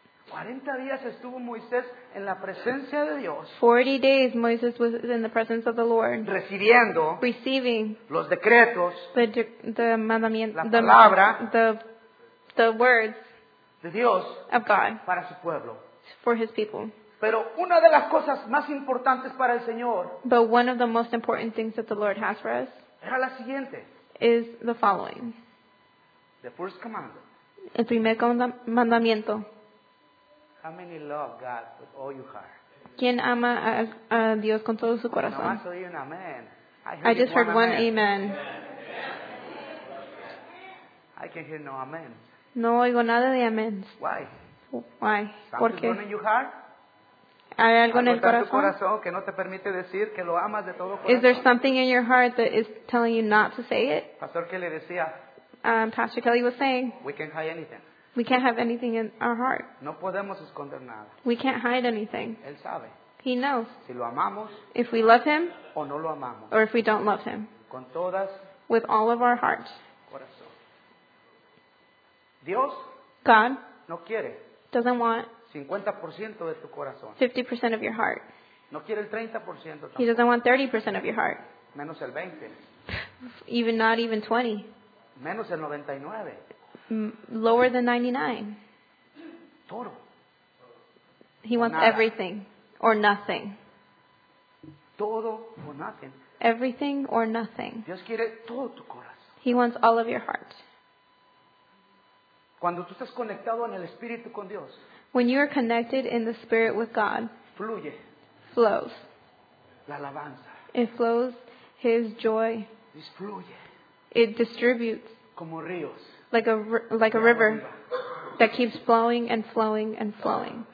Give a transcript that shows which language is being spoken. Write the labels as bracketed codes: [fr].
[es] 40 días estuvo Moisés en la presencia de Dios. [en] 40 days Moses was in the presence of the Lord. [es] Recibiendo. [en] Receiving. [es] Los decretos. [en] The mandamiento. [es] La palabra. [en] The words. [es] De Dios. [en] Of God. [es] Para su pueblo. [en] For his people. [es] Pero una de las cosas más importantes para el Señor. [en] But one of the most important things that the Lord has for us. [es] Era la siguiente. [en] Is the following. The first commandment. [es] El primer mandamiento. [en] How many love God with all your heart? [es] ¿Quién ama a Dios con todo su corazón? [en] No, I, an amen. I just heard one amen. Amen. I can't hear no amen. [es] No oigo nada de amén. [en] Why? Why? [es] ¿Por qué? [en] Something in your heart? [es] ¿Hay algo en el corazón? Tu corazón que no te permite decir que lo amas de todo corazón. [en] Is there something in your heart that is telling you not to say it? [es] Pastor Kelly decía. [en] Pastor Kelly was saying. We can't hide anything. We can't have anything in our heart. [es] No podemos esconder nada. [en] We can't hide anything. [es] Él sabe. [en] He knows. [es] Si lo amamos, [en] if we love him. [es] O no lo amamos, [en] or if we don't love him. [es] Con todas, [en] with all of our hearts. [es] Corazón. Dios. [en] God. [es] No quiere. [en] Doesn't want. [es] 50% de tu corazón. [en] 50% of your heart. [es] No quiere el 30% tampoco. [en] He doesn't want 30% of your heart. [es] Menos el 20. [en] Even not even 20. [es] Menos el 99. [en] Lower than 99. [es] Todo. [en] He wants [es] nada. [en] Everything or nothing. [es] Todo o [en] nothing. Everything or nothing. [es] Dios quiere todo tu corazón. [en] He wants all of your heart. [es] Cuando tú estás conectado en el espíritu con Dios. [en] When you are connected in the spirit with God. [es] Fluye. [en] Flows. [es] La alabanza. [en] It flows his joy. [es] Disfluye. [en] It distributes. [es] Como ríos. [en] Like a river that keeps flowing and flowing and flowing.